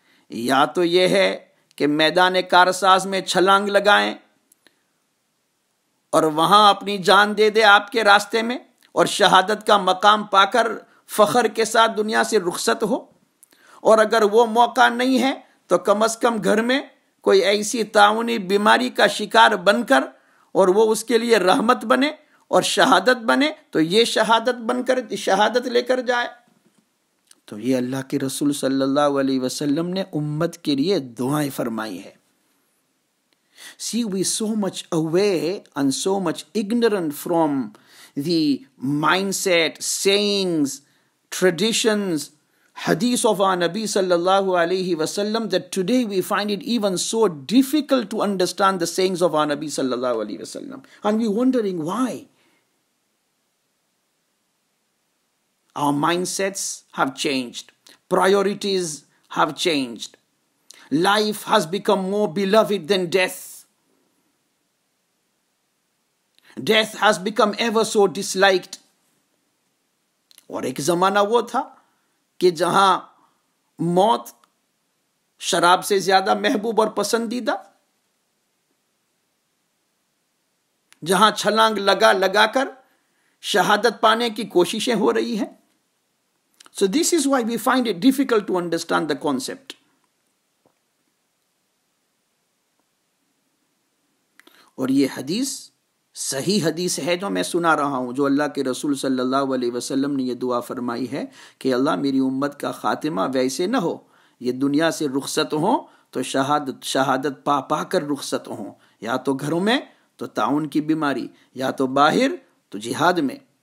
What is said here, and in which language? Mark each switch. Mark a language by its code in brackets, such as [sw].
[ur] Ya to ye hai ke maidane karsaz mein chhalang lagayein اور وہاں اپنی جان دے دے آپ کے راستے میں اور شہادت کا مقام پا کر فخر کے ساتھ دنیا سے رخصت ہو, اور اگر وہ موقع نہیں ہے تو کم از کم گھر میں کوئی ایسی تعاونی بیماری کا شکار بن کر اور وہ اس کے لیے رحمت بنے اور شہادت بنے, تو یہ شہادت بن کر شہادت لے کر جائے. تو یہ اللہ کے رسول صلی اللہ علیہ وسلم نے امت کے لیے دعائیں فرمائی ہیں. [en] See, we so much aware and so much ignorant from the mindset, sayings, traditions, hadith of our Nabi sallallahu alayhi wasallam, that today we find it even so difficult to understand the sayings of our Nabi sallallahu alayhi wasallam. And we're wondering why. Our mindsets have changed. Priorities have changed. Life has become more beloved than death. Death has become ever so disliked. [ur] اور ایک زمانہ وہ تھا کہ جہاں موت شراب سے زیادہ محبوب اور پسندیدہ, جہاں چھلانگ لگا لگا کر شہادت پانے کی کوششیں ہو رہی ہیں. [en] So this is why we find it difficult to understand the concept. [ur] اور یہ حدیث صحیح حدیث ہے جو میں سنا رہا ہوں, جو اللہ کے رسول صلی اللہ علیہ وسلم نے یہ دعا فرمائی ہے کہ اللہ میری امت کا خاتمہ ویسے نہ ہو, یہ دنیا سے رخصت ہوں تو شہادت پا پا کر رخصت ہوں, یا تو گھروں میں تو تعاون کی بیماری, یا تو باہر تو جہاد میں.